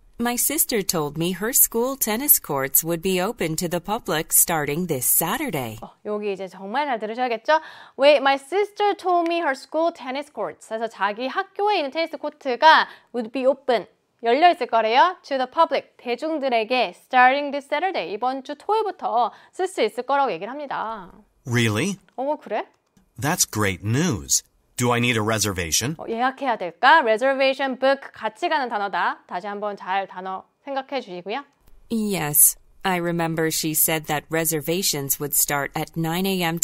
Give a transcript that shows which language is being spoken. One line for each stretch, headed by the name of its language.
English: My sister told me her school tennis courts would be open to the public starting this Saturday.
Korean: 여기 이제 정말 잘 들으셔야겠죠?
English: Wait, my sister told me her school tennis courts.
Korean: 그래서 자기 학교에 있는 테니스 코트가
English: would be open.
Korean: 열려 있을 거래요.
English: To the public,
Korean: 대중들에게
English: starting this Saturday,
Korean: 이번 주 토요일부터 쓸 수 있을 거라고 얘기를 합니다.
English: Really?
Korean: 그래?
English: That's great news. Do I need a reservation?
Korean: 예약해야 될까? Reservation, book, 같이 가는 단어다. 다시 한번 잘 단어 생각해 주시고요.
English: Yes, I remember she said that reservations would start at 9 a.m.